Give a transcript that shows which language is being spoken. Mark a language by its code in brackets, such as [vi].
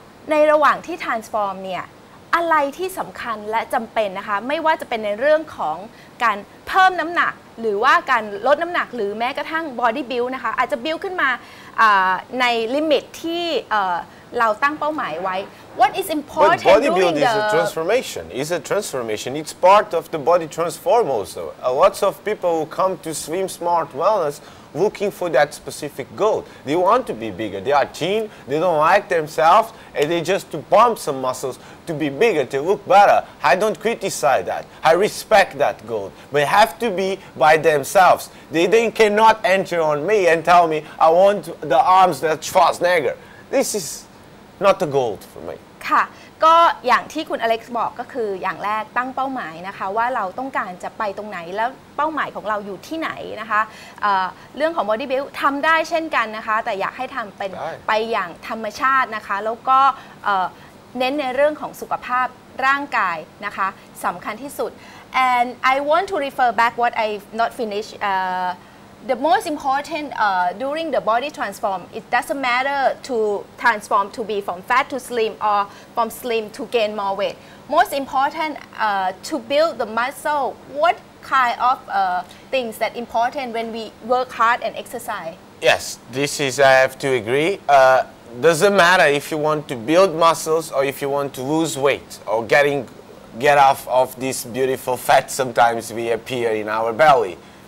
[th] ในระหว่างที่ transform เนี่ยอะไรที่สำคัญและจำเป็นนะคะไม่ว่าจะเป็นในเรื่องของการเพิ่มน้ำหนักหรือว่าการลดน้ำหนักหรือแม้กระทั่ง body build นะคะอาจจะ build ขึ้นมาในลิมิตที่เราตั้งเป้าหมายไว้ [en] What is important But body build is a transformation. It's a transformation. It's part of the body transform also. Lots of people who come to Slim Smart Wellness looking for that specific goal. They want to be bigger. They are thin. They don't like themselves, and they just to pump some muscles to be bigger to look better. I don't criticize that. I respect that goal. They have to be by themselves. They cannot enter on me and tell me I want the arms that Schwarzenegger. This is. Not the goal for me [th] ค่ะก็อย่างที่คุณอเล็กซ์บอกก็คืออย่างแรกตั้งเป้าหมายนะคะว่าเราต้องการจะไปตรงไหนแล้วเป้าหมายของเราอยู่ที่ไหนนะคะเรื่องของ body build ทำได้เช่นกันนะคะแต่อยากให้ทำเป็นไปอย่างธรรมชาตินะคะแล้วก็ เน้นในเรื่องของสุขภาพร่างกายนะคะสำคัญที่สุด [en] and I want to refer back what I not finish The most important during the body transform, it doesn't matter to transform to be from fat to slim or from slim to gain more weight. Most important to build the muscle, what kind of things that important when we work hard and exercise? Yes, this is, I have to agree. Doesn't matter if you want to build muscles or if you want to lose weight or get off of this beautiful fat sometimes we appear in our belly.